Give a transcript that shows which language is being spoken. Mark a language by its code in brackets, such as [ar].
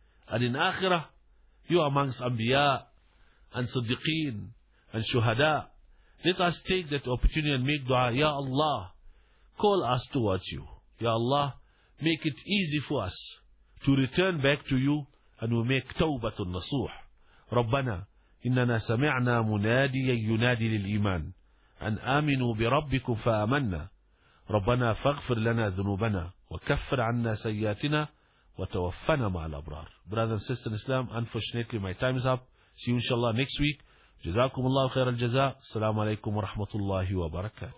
[en] And in akhirah, you are amongst anbiya and siddiqeen and shuhada. Let us take that opportunity and make dua. Ya Allah, call us towards you. Ya Allah, make it easy for us to return back to you and we make tawbatun nasuh. [ar] Rabbana, innana sami'na munadiyan yunadi lil iman. أن آمنوا بربكم فآمنا ربنا فاغفر لنا ذنوبنا وكفر عنا سيئاتنا وتوفنا مع الأبرار. [en] Brothers and sisters in Islam, unfortunately my time is up. See you inshallah next week. [ar] جزاكم الله خير الجزاء. السلام عليكم ورحمة الله وبركاته.